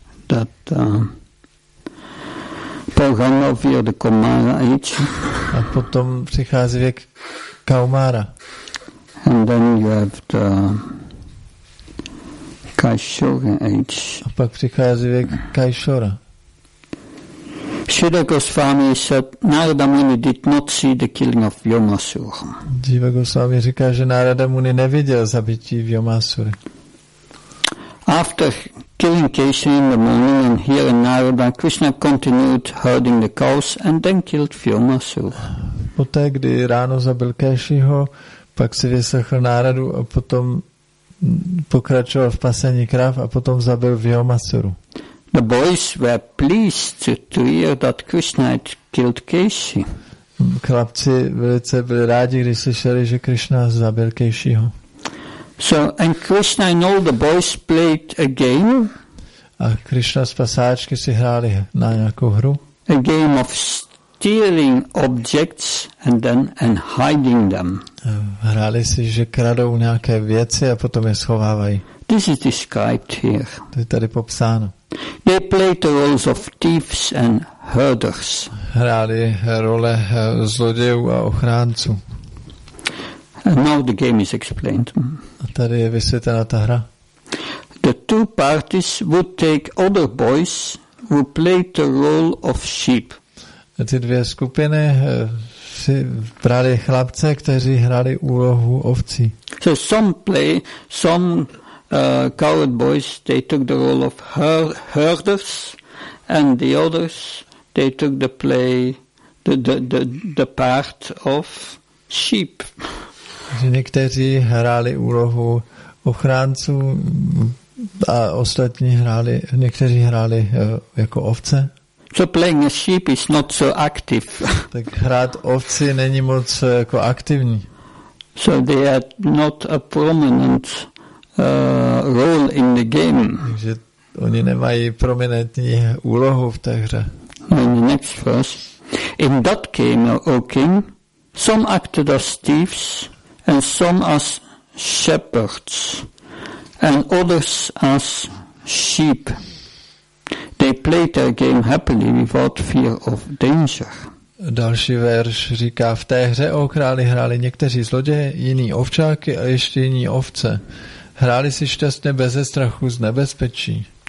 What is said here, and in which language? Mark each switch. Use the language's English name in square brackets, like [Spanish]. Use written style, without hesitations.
[English] That Pauganda via the Kumara age. [Czech] A potom přichází věk Kaumara. [English] And then you have the Kaisara age. [Czech] A pak přichází věk Kaisara. [English] Shrila Goswami said Narada Muni did not see the killing of Vyomasura. [Czech] Shrila Goswami říká, že Narada Muni neviděl zabití Vyomasura. [English] After killing Keshi in the morning and hearing Narada, Krishna continued herding the cows and then killed Vyomasura. [Czech] Poté, kdy ráno zabil Keshiho, pak si vyslechl Náradu a potom pokračoval v pasení krav a potom zabil Vyomasuru. [English] The boys were pleased to hear that Krishna had killed Keshi. [Czech] Chlapci velice byli rádi, když slyšeli, že Krishna zabil Keshiho. [English] So and Krishna and all the boys played a game. [Czech] A Krishna s pasáčky si hráli na nějakou hru. [English] A game of stealing objects and then and hiding them. [Czech] Hráli si, že kradou nějaké věci a potom je schovávají. [English] This is described here. [Czech] To je tady popsáno. [English] They played the roles of thieves and herders. [Czech] Hráli role zlodějů a ochránců. [English] And now the game is explained. [Czech] A tady je vysvětlena ta hra. [English] The two parties would take other boys who played the role of sheep. [Czech] A ty dvě skupiny si brali chlapce, kteří hráli úlohu ovcí. [English] So some coward boys, they took the role of herders, and the others, they took the part of sheep. [Czech] Někteří hráli úlohu ochránců a ostatní hráli, někteří hráli jako ovce. [English] So playing a sheep is not so active. [Czech] Tak hrát ovci není moc jako aktivní. [English] So they had not a prominent role in the game. [Czech] Takže oni nemají prominentní úlohu v té hře. [English] In the next verse, in that game, O king, some acted as thieves, and some as shepherds, and others as sheep. They played their game happily without fear of danger. [Czech] Další verš říká, v té hře, o králi, hráli někteří zloděje, jiní ovčáky a ještě jiní ovce. Hráli si šťastně beze strachu z nebezpečí.